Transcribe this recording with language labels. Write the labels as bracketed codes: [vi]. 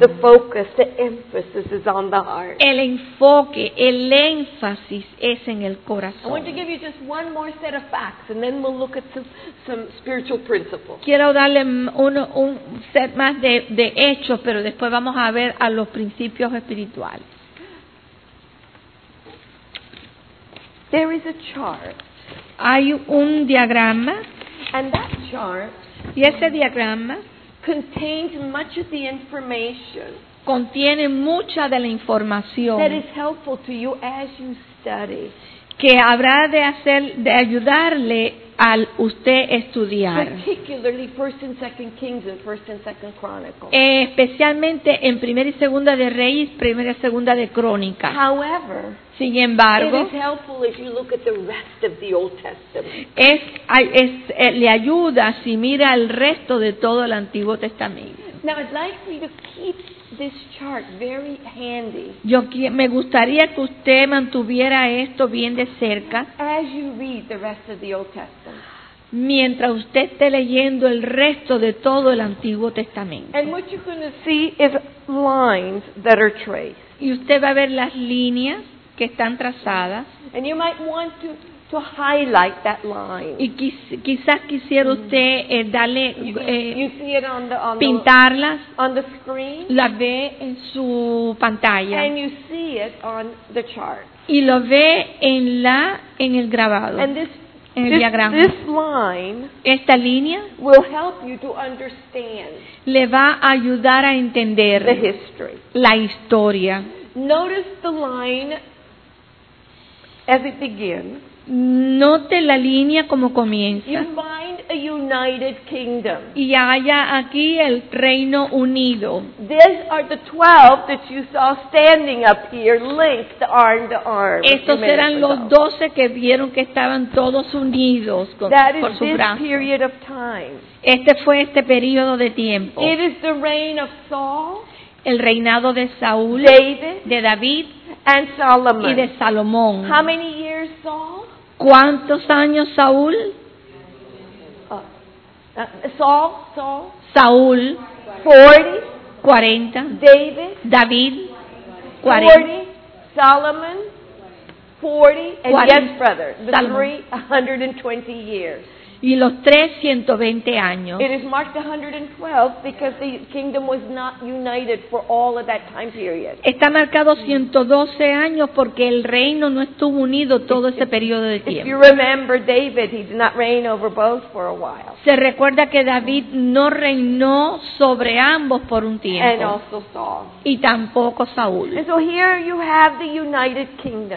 [en] The focus, the emphasis is on the heart. [es] El enfoque, el énfasis es en el corazón. [en] I want to give you just one more set of facts and then we'll look at some spiritual principles. [es] Quiero darle un set más de hechos, pero después vamos a ver a los principios espirituales. [en] There is a chart. [es] Hay un diagrama. [en] And that chart. [es] Y ese diagrama [en] contains much of the information. [es] Contiene mucha de la información. [en] That is helpful to you as you study. [es] Que habrá de hacer, de ayudarle al usted estudiar. [en] Particularly First and Second Kings and First and Second Chronicles. [es] Especialmente en Primera y Segunda de Reyes, Primera y Segunda de Crónicas. [en] However, [es] sin embargo, [en] it is helpful if you look at the rest of the Old Testament. [es] Le ayuda si mira el resto de todo el Antiguo Testamento. [en] Now I'd like for you to keep this chart very handy. [es] Me gustaría que usted mantuviera esto bien de cerca. [en] As you read the rest of the Old Testament. [es] Mientras usted esté leyendo el resto de todo el Antiguo Testamento. [en] And what you're going to see is lines that are traced. [es] Y usted va a ver las líneas que están trazadas. [en] And you might want to highlight that line. [es] Y quizás quisiera usted darle [en] you see it on the [es] pintarlas [en] on the screen. [es] La ve en su pantalla. [en] And you see it on the chart. [es] Y lo ve en el grabado. [en] And this, [es] en el diagrama. [en] This line, [es] esta línea [en] will help you to understand. [es] Le va a ayudar a entender [en] the history. [es] La historia. [en] Notice the line as it begins. [es] Note la línea como comienza. [en] You find a united kingdom. [es] Y haya aquí el Reino Unido. [en] These are the 12 that you saw standing up here, linked arm to arm. [es] Estos eran los 12 que vieron que estaban todos unidos con, [en] that is [es] por su brazo. [en] This period of time. [es] Este fue este periodo de tiempo. [en] It is the reign of Saul. [es] El reinado de Saúl, [en] David, [es] de David [en] and Solomon. [es] Y de Salomón. [en] How many years Saul? [es] ¿Cuántos años Saúl? [en] Saul? [es] Saúl. [en] 40. [es] 40. [en] David. [es] David. [en] 40. 40. Solomon. 40. And [es] 40. [en] Yes, brother. The [es] Salomón. [en] Three, 120 years. [es] Y los tres, 120 años. [en] It is marked 112 because the kingdom was not united for all of that time period. [es] Está marcado 112 años porque el reino no estuvo unido todo ese periodo de tiempo. [en] If you remember David, he did not reign over both for a while. [es] Se recuerda que David no reinó sobre ambos por un tiempo. [en] And also Saul. [es] Y tampoco Saúl. [en] And so here you have the united kingdom.